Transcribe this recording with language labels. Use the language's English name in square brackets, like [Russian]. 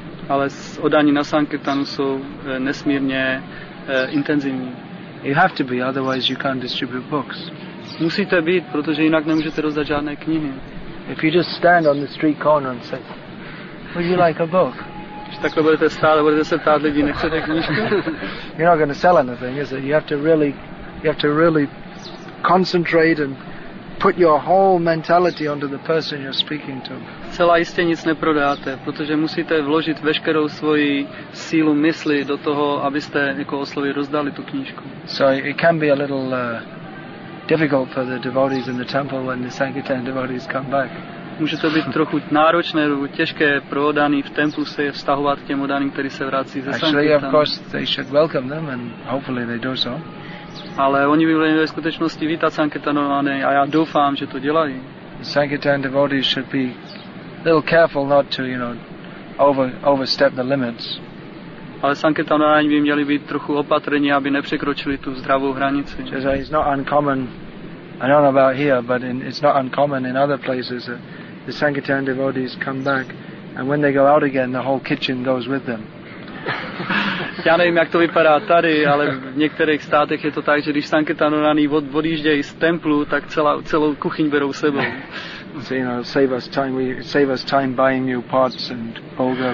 [Czech] Ale oddaní na Sankirtanu jsou nesmírně intenzivní. [English] You have to be, otherwise you can't distribute books. [Czech] Musíte být, protože jinak nemůžete rozdat žádné knihy. [English] If you just stand on the street corner and say, would you like a book? [Czech] Když takhle budete stát, budete se ptát lidí, nechcete knížku? [English] You're not going to sell anything, is it? You have to really concentrate and put your whole mentality onto the person you're speaking to. [Czech] Celá jistě nic neprodáte, protože musíte vložit veškerou svoji sílu mysli do toho, abyste jako oslovy rozdali tu knížku. [English] So it can be a little difficult for the devotees in the temple when the Sankirtan devotees come back. [Czech] Může to být trochu náročné, těžké pro oddaný v templu se vztahovat k těm oddaným, který se vrací ze Sankirtanu. [English] Actually, of course, they should welcome them and hopefully they do so. [Czech] Ale oni by měli ve skutečnosti vítat Sankirtanované a já doufám, že to dělají. [English] Sankirtan devotees should be a little careful not to, you know, overstep the limits. [Czech] Ale Sankirtanováni by měli být trochu opatrní, aby nepřekročili tu zdravou hranici. [English] It's not uncommon, I don't know about here, but it's not uncommon in other places that the Sankirtan devotees come back and when they go out again, the whole kitchen goes with them. [Czech] Já nevím, jak to vypadá tady, ale v některých státech je to tak, že když Sankirtanováni odjíždějí z templu, tak celou kuchyň berou sebou. [English] So, you know, save us time buying new pots and bulgur.